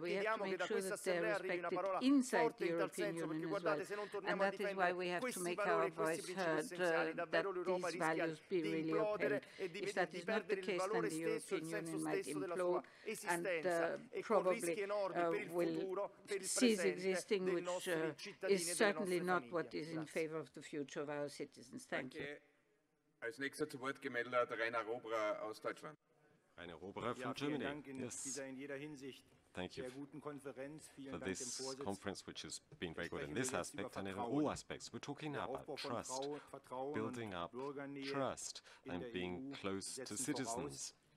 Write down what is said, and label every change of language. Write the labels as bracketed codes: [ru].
[en] We have to make sure that they are respected inside the European Union as well, and that is why we have to make our voice heard, that these values be really upheld. If that is not the case, then the European Union might implode and probably will cease existing, which is certainly not what is in favor of the future of our citizens. Thank you. [de] Als nächster zu Wort gemeldet Rainer Robra aus Deutschland. [en] Rainer Robra from Germany. Yes. Thank you for this conference, which has been very good in this aspect and in all aspects. We're talking now about trust, building up trust and being close to citizens.